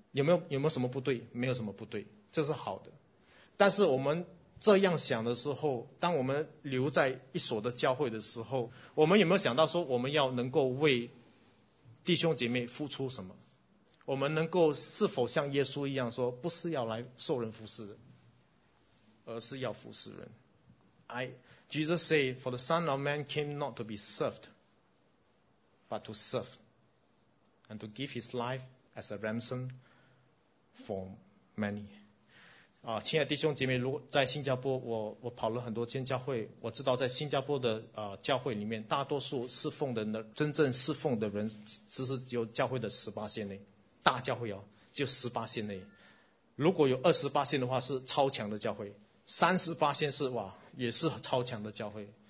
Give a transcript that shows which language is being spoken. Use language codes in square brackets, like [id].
[zh] 有没有什么不对？没有什么不对，这是好的。但是我们这样想的时候，当我们留在一所的教会的时候，我们有没有想到说，我们要能够为弟兄姐妹付出什么？我们能够是否像耶稣一样说，不是要来受人服侍的，而是要服侍人？ [en] Jesus say, for the Son of Man came not to be servedBut to serve and to give his life as a ransom for many. [zh] 亲爱的弟兄姐妹，如果在新加坡，我跑了很多间教会，我知道在新加坡的教会里面，大多数侍奉的人，真正侍奉的人，只是只有教会的18%内，大教会哦，就18%内。如果有20%的话，是超强的教会；30%是哇，也是超强的教会。